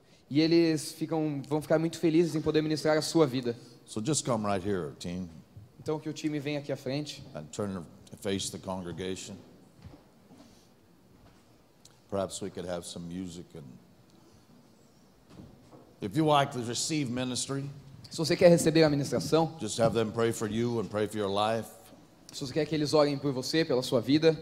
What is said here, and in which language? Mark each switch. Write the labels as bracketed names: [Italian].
[Portuguese] E eles vão ficar muito felizes em poder ministrar a sua vida. [English] So just come right here, team. [Portuguese] Então que o time venha aqui à frente. [English] And turn and face the congregation. Perhaps we could have some music and if you like to receive ministry. [Portuguese] Se você quer receber a ministração, [English] just have them pray for you and pray for your life. [Portuguese] Se você quer que eles orem por você, pela sua vida.